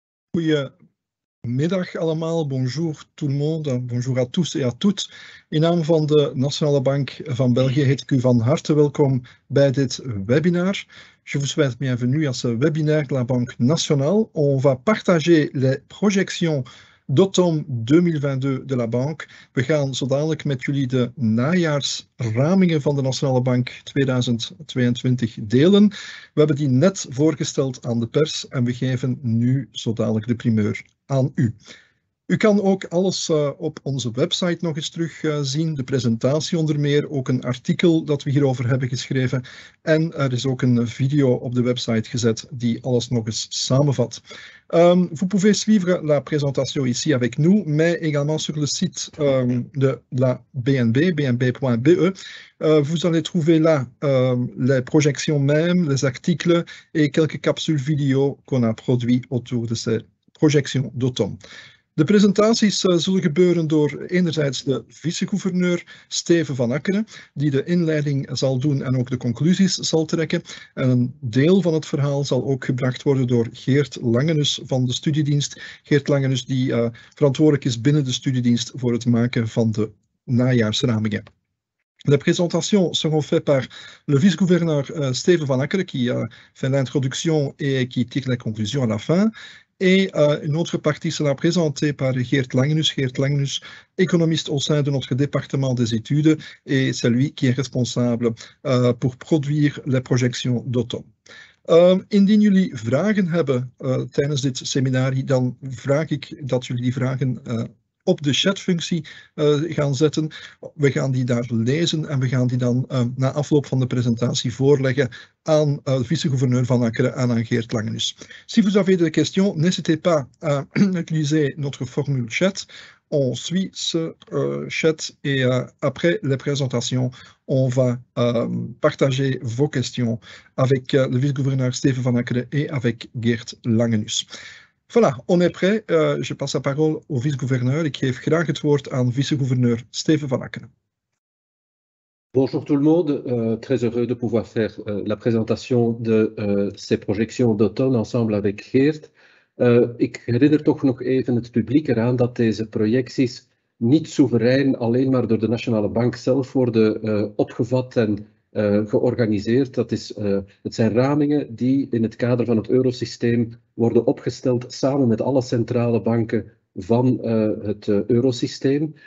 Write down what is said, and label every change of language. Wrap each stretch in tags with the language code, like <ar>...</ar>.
<nl>Goedemiddag allemaal,</nl> <fr>bonjour tout le monde, bonjour à tous et à toutes.</fr> <nl>In naam van de Nationale Bank van België heet ik u van harte welkom bij dit webinar.</nl> <fr>Je vous souhaite bienvenue à ce webinaire de la Banque Nationale. On va partager les projections d'automne 2022 de la Banque.</fr> <nl>We gaan zo dadelijk met jullie de najaarsramingen van de Nationale Bank 2022 delen. We hebben die net voorgesteld aan de pers en we geven nu zo dadelijk de primeur aan u. U kan ook alles op onze website nog eens terugzien, de presentatie onder meer, ook een artikel dat we hierover hebben geschreven en er is ook een video op de website gezet die alles nog eens samenvat.</nl> <fr>Vous pouvez suivre la présentation ici avec nous, mais également sur le site de la BNB, bnb.be. Vous allez trouver là les projections même, les articles et quelques capsules vidéo qu'on a produit autour de ces projections d'automne.</fr> <nl>De presentaties zullen gebeuren door enerzijds de vice-gouverneur Steven van Akkeren, die de inleiding zal doen en ook de conclusies zal trekken. En een deel van het verhaal zal ook gebracht worden door Geert Langenus van de studiedienst. Geert Langenus die verantwoordelijk is binnen de studiedienst voor het maken van de najaarsramingen.</nl> <fr>Les présentations seront faites par le vice-gouverneur Steven van Akkeren, qui fait l'introduction et qui tire les conclusions à la fin. Et une autre partie sera présentée par Geert Langenus. Geert Langenus, économiste au sein de notre département des études, et c'est lui qui est responsable pour produire les projections d'automne.</fr> <nl>Indien jullie vragen hebben tijdens dit seminarie, dan vraag ik dat jullie die vragen op de chatfunctie gaan zetten. We gaan die daar lezen en we gaan die dan na afloop van de presentatie voorleggen aan vice-gouverneur van Akkeren en aan Geert Langenus.</nl> <fr>Si vous avez des questions, n'hésitez pas à utiliser notre formule chat. On suit ce chat et après les présentations, on va partager vos questions avec le vice-gouverneur Steven van Akkeren et avec Geert Langenus. Voilà, on est prêt. Je passe la parole au vice-gouverneur.</fr> <nl>Ik geef graag het woord aan vice-gouverneur Steven van Akkeren.</nl> <fr>Bonjour tout le monde. Très heureux de pouvoir faire la présentation de ces projections d'automne ensemble avec Geert.</fr> <nl>Ik herinner toch nog even het publiek eraan dat deze projecties niet soeverein alleen maar door de Nationale Bank zelf worden opgevat en georganiseerd. Dat is, het zijn ramingen die in het kader van het eurosysteem worden opgesteld samen met alle centrale banken van het eurosysteem.</nl>